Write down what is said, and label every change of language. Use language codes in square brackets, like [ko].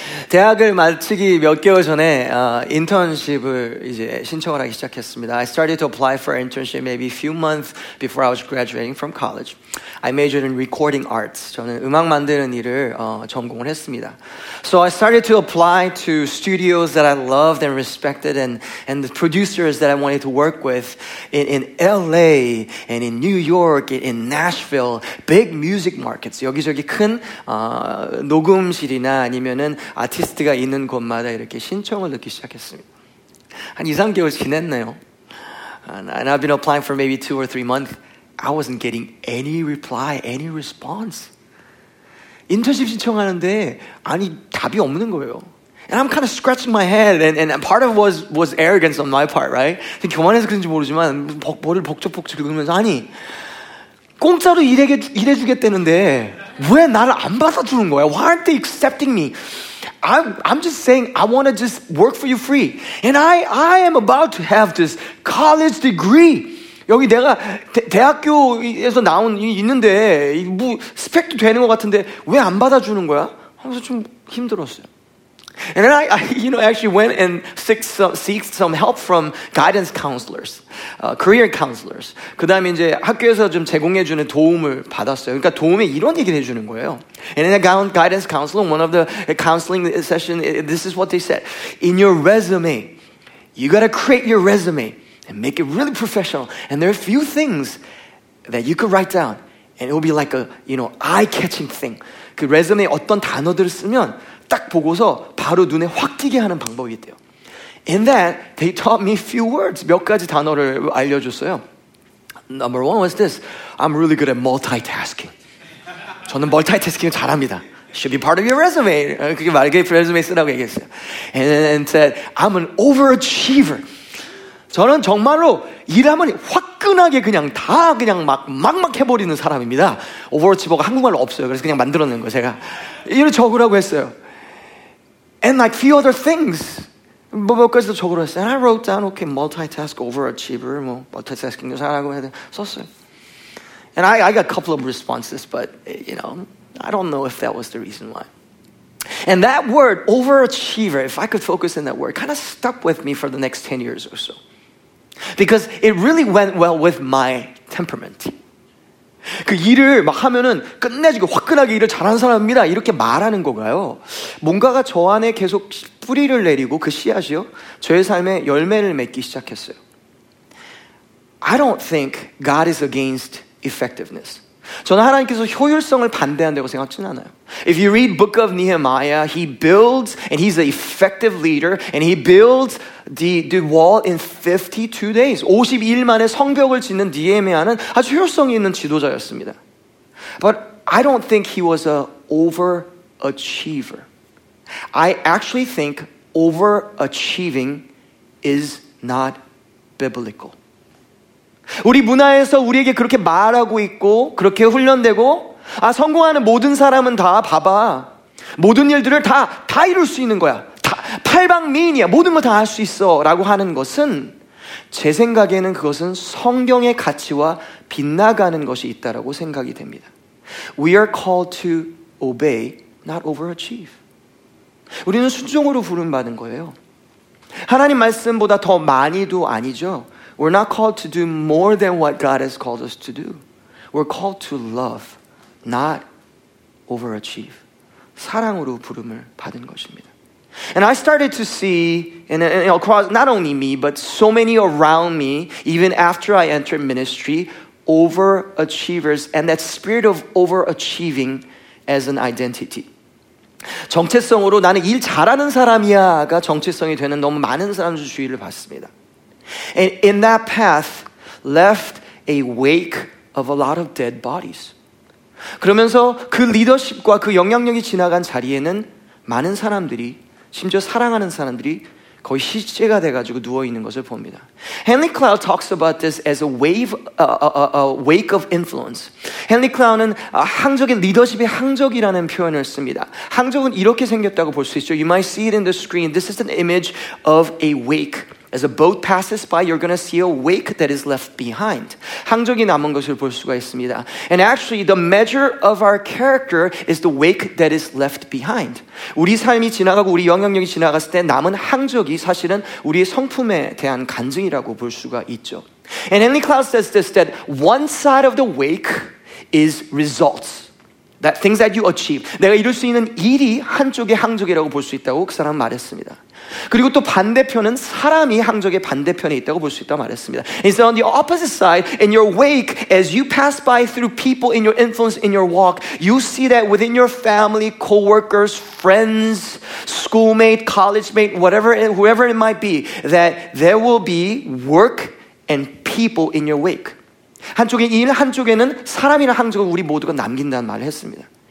[ko] 대학을 마치기 몇 개월 전에 인턴십을 이제 신청을 하기 시작했습니다. [en] I started to apply for internship maybe a few months before I was graduating from college. I majored in recording arts. [ko] 저는 음악 만드는 일을 전공을 했습니다. [en] So I started to apply to studios that I loved and respected and the producers that I wanted to work with in LA and in New York, in Nashville, big music markets. [ko] 여기저기 큰 녹음실이나 아니면은 아티스트가 있는 곳마다 이렇게 신청을 넣기 시작했습니다. 한 2, 3개월 지냈네요. [en] And I've been applying for maybe 2 or 3 months. I wasn't getting any reply, any response. [ko] 인턴십 신청하는데 아니 답이 없는 거예요. [en] And I'm kind of scratching my head and part of was arrogance on my part, right? [ko] 교만해서 그런지 모르지만 머리를 복적복적 긁으면서 아니 공짜로 일해 주겠다는데 왜 나를 안 받아주는 거야? [en] Why aren't they accepting me? I'm just saying I want to just work for you free. And I am about to have this college degree. [ko] 여기 내가 대학교에서 나온 있는데 뭐 스펙도 되는 것 같은데 왜 안 받아주는 거야? 하면서 좀 힘들었어요. [en] And then I you know, actually went and seek some help from guidance counselors, career counselors. [ko] 그 다음에 이제 학교에서 좀 제공해주는 도움을 받았어요. 그러니까 도움에 이런 얘기를 해주는 거예요. [en] And then I got a guidance counselor, one of the counseling session, this is what they said. In your resume, you got to create your resume and make it really professional. And there are a few things that you could write down. And it will be like a, you know, eye-catching thing. [ko] 그 resume에 어떤 단어들을 쓰면 딱 보고서 바로 눈에 확 띄게 하는 방법이 있대요. [en] In that, they taught me a few words. [ko] 몇 가지 단어를 알려줬어요. [en] Number one was this. I'm really good at multitasking. [ko] 저는 멀티태스킹을 잘합니다. [en] Should be part of your resume. [ko] 그게 말게 resume 쓰라고 얘기했어요. [en] And said, I'm an overachiever. [ko] 저는 정말로 일하면 화끈하게 그냥 다 그냥 막막 해버리는 사람입니다. Overachiever가 한국말로 없어요. 그래서 그냥 만들어낸 거예요, 제가. 이를 적으라고 했어요. [en] And like few other things. [ko] 몇 가지도 적으라고 했어요. [en] And I wrote down, okay, multitask, overachiever, [ko] 뭐, multitasking도 잘하고 썼어요. [en] And I got a couple of responses, but, you know, I don't know if that was the reason why. And that word, overachiever, if I could focus on that word, kind of stuck with me for the next 10 years or so. Because it really went well with my temperament. [ko] 그 일을 막 하면은 끝내주고 화끈하게 일을 잘하는 사람입니다. 이렇게 말하는 거가요. 뭔가가 저 안에 계속 뿌리를 내리고 그 씨앗이요. 저의 삶에 열매를 맺기 시작했어요. [en] I don't think God is against effectiveness. [ko] 저는 하나님께서 효율성을 반대한다고 생각하진 않아요. [en] If you read Book of Nehemiah, he builds and he's an effective leader and he builds the wall in 52 days. [ko] 52일 만에 성벽을 짓는 니헤미야는 아주 효율성이 있는 지도자였습니다. [en] But I don't think he was an overachiever. I actually think overachieving is not biblical. [ko] 우리 문화에서 우리에게 그렇게 말하고 있고 그렇게 훈련되고 아 성공하는 모든 사람은 다 봐봐 모든 일들을 다 이룰 수 있는 거야 다 팔방미인이야 모든 걸 다 할 수 있어 라고 하는 것은 제 생각에는 그것은 성경의 가치와 빗나가는 것이 있다라고 생각이 됩니다. [en] We are called to obey, not overachieve. [ko] 우리는 순종으로 부른받은 거예요. 하나님 말씀보다 더 많이도 아니죠. [en] We're not called to do more than what God has called us to do. We're called to love, not overachieve. [ko] 사랑으로 부름을 받은 것입니다. [en] And I started to see, and across, not only me, but so many around me, even after I entered ministry, overachievers, and that spirit of overachieving as an identity. [ko] 정체성으로 나는 일 잘하는 사람이야가 정체성이 되는 너무 많은 사람들 주위를 봤습니다. [en] And in that path left a wake of a lot of dead bodies. [ko] 그러면서 그 리더십과 그 영향력이 지나간 자리에는 많은 사람들이, 심지어 사랑하는 사람들이 거의 시체가 돼가지고 누워있는 것을 봅니다. [en] Henry Cloud talks about this as a wave, wake of influence. [ko] Henry Cloud은 항적의 리더십의 항적이라는 표현을 씁니다. 항적은 이렇게 생겼다고 볼 수 있죠. [en] You might see it in the screen. This is an image of a wake. As a boat passes by, you're going to see a wake that is left behind. [ko] 항적이 남은 것을 볼 수가 있습니다. [en] And actually, the measure of our character is the wake that is left behind. [ko] 우리 삶이 지나가고 우리 영향력이 지나갔을 때 남은 항적이 사실은 우리의 성품에 대한 간증이라고 볼 수가 있죠. [en] And Henry Cloud says this, that one side of the wake is results. That things that you achieve. [ko] 내가 이룰 수 있는 일이 한쪽의 항적이라고 볼 수 있다고 그 사람은 말했습니다. 그리고 또 반대편은 사람이 항적의 반대편에 있다고 볼 수 있다고 말했습니다. [en] It's on the opposite side, in your wake, as you pass by through people in your influence, in your walk, you see that within your family, co-workers, friends, schoolmate, college mate, whatever, whoever it might be, that there will be work and people in your wake. [ko] 한쪽에 일, 한쪽에는 사람이나 항적을 우리 모두가 남긴다는 말을 했습니다.